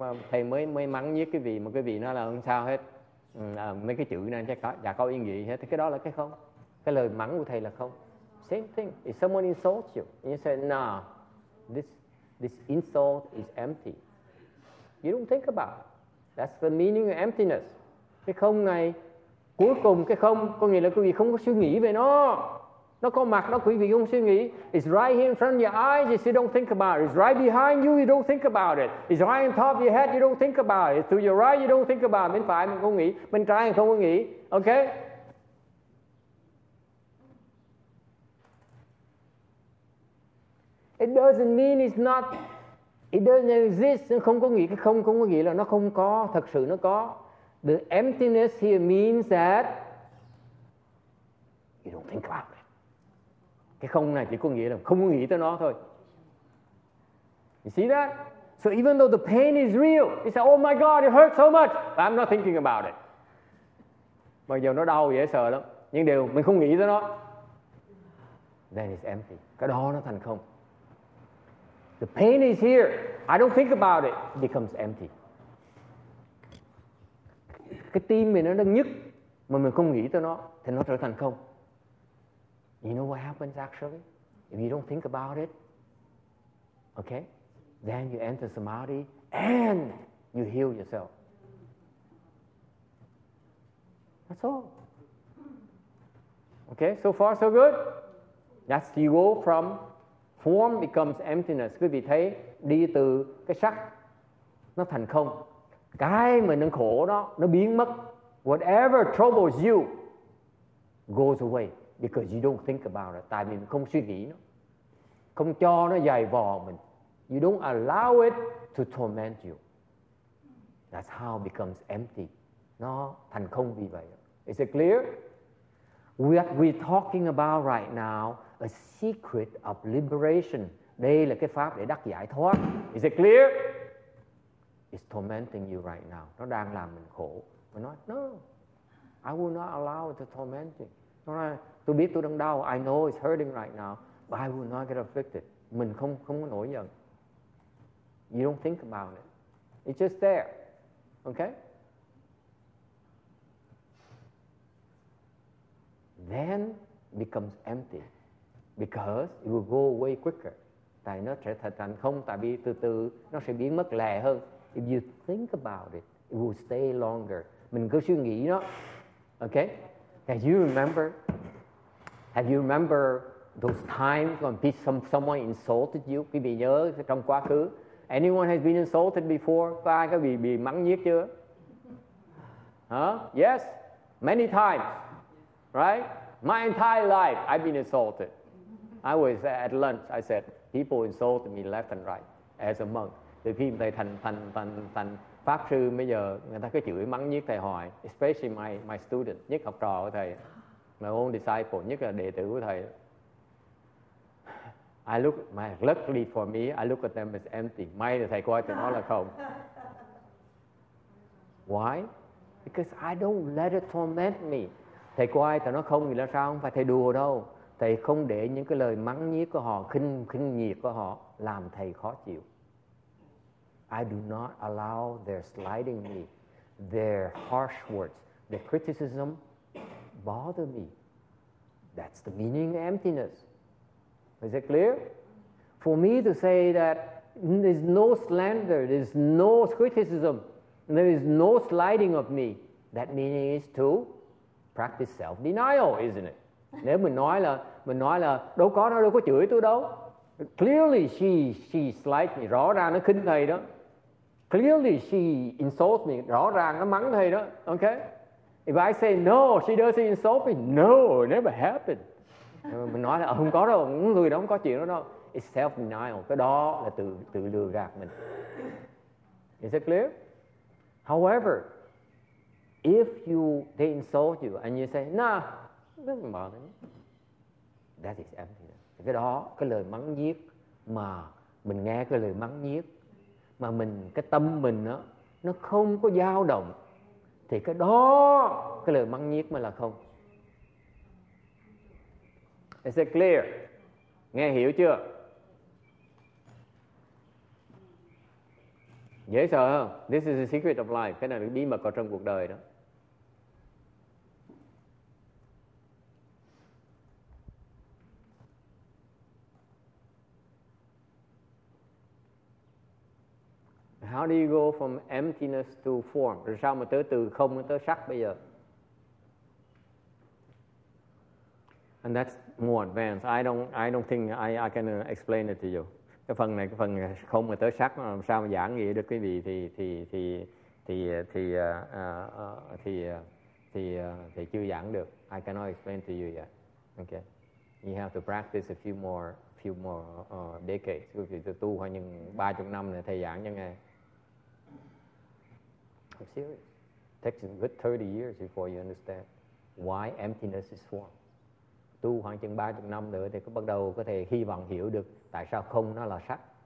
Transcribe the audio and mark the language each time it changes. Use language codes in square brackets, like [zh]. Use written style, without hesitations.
[vi] Thầy mới mắng nhiếc cái vị, mà cái vị nó là không sao hết. Mấy cái chữ này chắc chả có ý nghĩa hết. Cái đó là cái không. Cái lời mắng của thầy là không. [en] Same thing. If someone insults you, and you say, nah, this insult is empty, you don't think about it. That's the meaning of emptiness. [vi] Cái không này, cuối cùng cái không có nghĩa là quý vị không có suy nghĩ về nó. Nó có mặt, nó quý vị không suy nghĩ. [en] It's right here in front of your eyes, you don't think about it. It's right behind you, you don't think about it. It's right on top of your head, you don't think about it. To your right, you don't think about it. [vi] Bên phải mình không nghĩ, bên trái mình không có nghĩ. [en] Okay? It doesn't mean it's not, it doesn't exist. [vi] Nó không có nghĩa, cái không có nghĩa là nó không có, thật sự nó có. [en] The emptiness here means that you don't think about it. [vi] Cái không này chỉ có nghĩa là không có nghĩ tới nó thôi. [en] You see that? So even though the pain is real, you say, oh my God, it hurts so much, but I'm not thinking about it. [vi] Mặc dù nó đau dễ sợ lắm, nhưng điều mình không nghĩ tới nó. [en] Then it's empty. [vi] Cái đó nó thành không. [en] The pain is here. I don't think about it. It becomes empty. [vi] Cái tim mình nó đang nhức mà mình không nghĩ tới nó thì nó trở thành không. [en] You know what happens actually? If you don't think about it, okay? Then you enter samadhi and you heal yourself. That's all. Okay, so far so good. That's the goal from form becomes emptiness. [vi] Quý vị thấy đi từ cái sắc nó thành không. Cái mà nó khổ đó nó biến mất. [en] Whatever troubles you goes away because you don't think about it. [vi] Tại vì mình không suy nghĩ nó. Không cho nó dày vò mình. [en] You don't allow it to torment you. That's how it becomes empty. [vi] Nó thành không vì vậy. [en] Is it clear? What we're talking about right now, a secret of liberation. [vi] Đây là cái pháp để đắc giải thoát. [en] Is it clear? It's tormenting you right now. [vi] Nó đang làm mình khổ. Mình nói, [en] no, I will not allow it to torment you. [vi] Nó nói, tôi biết tôi đang đau. [en] I know it's hurting right now. But I will not get afflicted. [vi] Mình không có nổi giận. [en] You don't think about it. It's just there. Okay? Then becomes empty. Because it will go away quicker. [vi] Tại nó sẽ thành không, tại vì từ từ nó sẽ biến mất lẹ hơn. [en] If you think about it, it will stay longer. [vi] Mình cứ suy nghĩ nó. [en] Okay? Have you remember those times when someone insulted you? [vi] Quý vị nhớ trong quá khứ? [en] Anyone has been insulted before? [vi] Có ai có bị mắng nhiếc chưa? [en] Huh? Yes? Many times. Right? My entire life, I've been insulted. I was at lunch, I said, people insulted me left and right as a monk. [vi] Thì khi thầy thành pháp sư bây giờ người ta cứ chửi mắng nhiếc thầy hoài, [en] especially my student, [vi] nhất học trò của thầy, [en] my own disciple, [vi] nhất là đệ tử của thầy. [en] I look, my luckily for me, I look at them as empty. [vi] May là thầy coi thì nó là không. [en] Why? Because I don't let it torment me. [vi] Thầy coi thì nó không thì là sao? Không phải thầy đùa đâu. Thầy không để những cái lời mắng nhiếc của họ, khinh nhiệt của họ làm thầy khó chịu. [en] I do not allow their slighting me, their harsh words, their criticism bother me. That's the meaning of emptiness. Is it clear? For me to say that there's no slander, there's no criticism, there is no slighting of me, that meaning is to practice self-denial, isn't it? [vi] Nếu mình nói là đâu có nó đâu có chửi tôi đâu. [en] Clearly she slights me, [vi] rõ ràng nó khinh thầy đó. [en] Clearly she insults me, [vi] rõ ràng nó mắng thầy đó, okay? [en] If I say no, she doesn't insult me, no, it never happened. [vi] Mình nói là không có đâu, người đó không có chuyện đó đâu. [en] It's self-denial, [vi] cái đó là tự lừa gạt mình. [en] Is it clear? However, if they insult you and you say, nah, doesn't bother me, that is emptiness. [vi] Cái đó, cái lời mắng nhiếc mà mình nghe cái lời mắng nhiếc, mà mình cái tâm mình đó, nó không có dao động, thì cái đó cái lời mắng nhiếc mới là không. [en] Is it clear? [vi] Nghe hiểu chưa? Dễ sợ không? [en] This is the secret of life. [vi] Cái này là bí mật có trong cuộc đời đó. [en] How do you go from emptiness to form? [vi] Rồi sao mà tới từ không tới sắc bây giờ? [en] And that's more advanced. I don't think I can explain it to you. [vi] Cái phần không mà tới sắc mà sao mà giảng gì được quý vị thì chưa giảng được. [en] I cannot explain to you yet. Okay. You have to practice a few more decades. [vi] Quý vị tu qua những 30 năm này thầy giảng cho nghe. [en] I'm serious. It takes a good 30 years before you understand why emptiness is formed. [vi] Tu khoảng chừng 30 năm nữa thì bắt đầu có thể hy vọng hiểu được tại sao không nó là sắc.